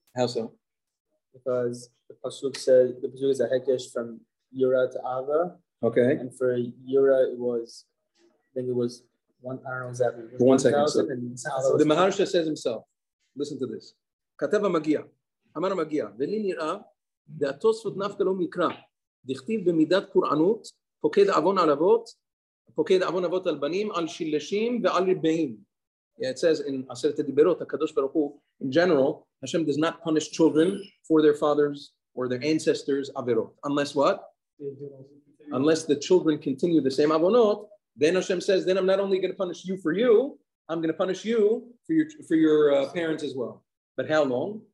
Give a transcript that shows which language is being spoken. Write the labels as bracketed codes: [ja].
[en] How so? Because the Pasuk is a Hekesh from Yura to Ava. Okay. And for Yura, it was one, I don't know exactly. For 1 second. So the Maharsha says himself, listen to this. [he] Kateva Magia. Amar Magia. Veli Nira. והתוספות נפקא לא מקרא, דכתיב במידת פורענות, פוקד אבון על אבות, פוקד אבון אבות על בנים, על שלשים ועל רבעים. [en] It says in [he] עשרת הדיברות, הקדוש ברוך הוא, [en] in general, Hashem does not punish children for their fathers or their ancestors' עבירות. Unless what? Unless the children continue the same עבונות, then Hashem says, then I'm not only going to punish you for you, I'm going to punish you for your parents as well. But how long?